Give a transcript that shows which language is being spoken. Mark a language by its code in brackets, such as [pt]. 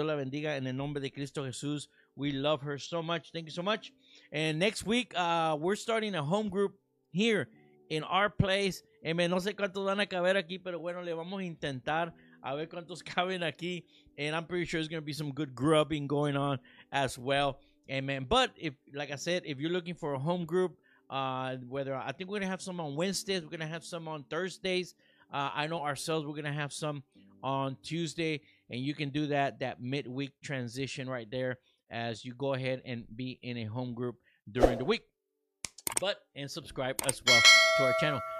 [es] Dios la bendiga en el nombre de Cristo Jesús. [en] We love her so much. Thank you so much. And next week, we're starting a home group here in our place. Amen. [es] No sé cuántos van a caber aquí, pero bueno, le vamos a intentar a ver cuántos caben aquí. [en] And I'm pretty sure there's going to be some good grubbing going on as well. Amen. But if, like I said, if you're looking for a home group, I think we're going to have some on Wednesdays. We're going to have some on Thursdays. I know ourselves, we're going to have some on Tuesday, and you can do that midweek transition right there as you go ahead and be in a home group during the week, and subscribe as well to our channel.